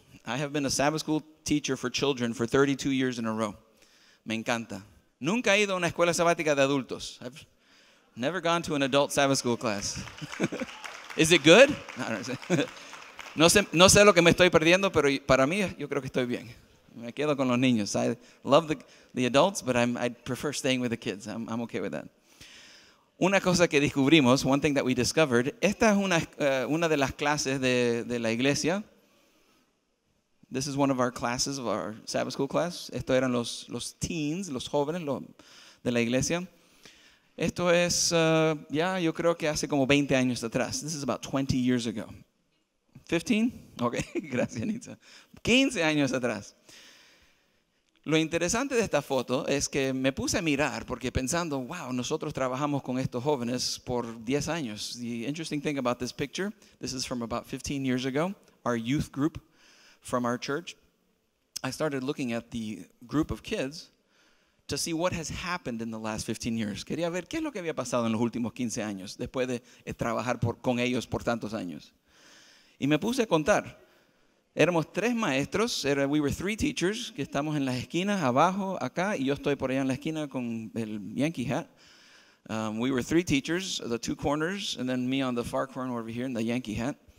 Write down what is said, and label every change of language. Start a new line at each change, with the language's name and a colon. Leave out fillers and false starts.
English: I have been a Sabbath school teacher for children for 32 years in a row.
Spanish: Me encanta. Nunca he ido a una escuela sabática de adultos.
English: I've never gone to an adult Sabbath school class. Is it good?
Spanish: No, no sé. No sé lo que me estoy perdiendo, pero para mí yo creo que estoy bien. Me quedo con los niños.
English: I love the adults, but I prefer staying with the kids. I'm okay with that.
Spanish: Una cosa que descubrimos,
English: one thing that we discovered,
Spanish: esta es una de las clases de la iglesia.
English: This is one of our classes, of our Sabbath school class.
Spanish: Esto eran los teens, los jóvenes de la iglesia. Esto es, yo creo que hace como 20 años atrás.
English: This is about 20 years ago. 15? Okay, gracias, Anita.
Spanish: 15 años atrás. Lo interesante de esta foto es que me puse a mirar porque pensando, wow, nosotros trabajamos con estos jóvenes por 10 años.
English: The interesting thing about this picture, this is from about 15 years ago, our youth group from our church. I started looking at the group of kids to see what has happened in the last 15 years.
Spanish: Quería ver qué es lo que había pasado en los últimos 15 años después de trabajar con ellos por tantos años. Y me puse a contar. Éramos tres maestros,
English: we were three teachers,
Spanish: que estamos en las esquinas, abajo, acá, y yo estoy por allá en la esquina con el Yankee hat.
English: We were three teachers, the two corners, and then me on the far corner over here in the Yankee hat.